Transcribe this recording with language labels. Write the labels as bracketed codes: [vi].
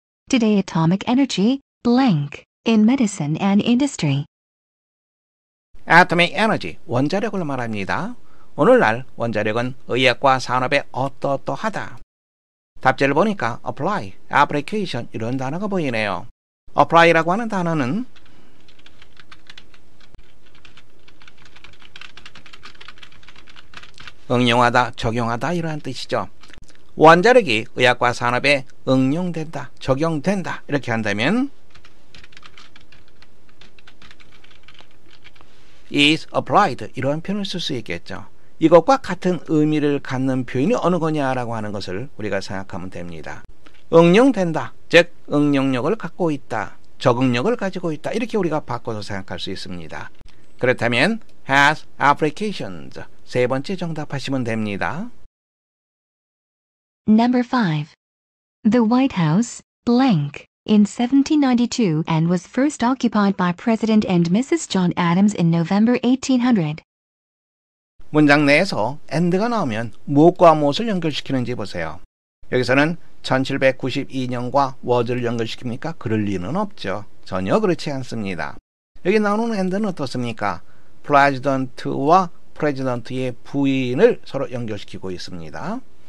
[en] Today atomic energy, blank, in medicine and industry. Atomic energy, [ko] 원자력을 말합니다. 오늘날 원자력은 의학과 산업에 어떠어떠하다. 답지를 보니까 apply, application 이런 단어가 보이네요. apply라고 하는 단어는 응용하다, 적용하다 이런 뜻이죠. 원자력이 의학과 산업에 응용된다, 적용된다 이렇게 한다면 [en] is applied [ko] 이런 표현을 쓸 수 있겠죠. 이것과 같은 의미를 갖는 표현이 어느 거냐라고 하는 것을 우리가 생각하면 됩니다. 응용된다, 즉 응용력을 갖고 있다, 적응력을 가지고 있다 이렇게 우리가 바꿔서 생각할 수 있습니다. 그렇다면 [en] has applications [ko] 세 번째 정답하시면 됩니다. [en] Number 5. The White House, blank, in 1792 and was first occupied by President and Mrs. John Adams in November 1800. [ko] 문장 내에서 and가 나오면 무엇과 무엇을 연결시키는지 보세요. 여기서는 1792년과 was를 연결시킵니까? 그럴 리는 없죠. 전혀 그렇지 않습니다. 여기 나오는 and는 어떻습니까? President와 프레지던트의 부인을 서로 연결시키고 있습니다.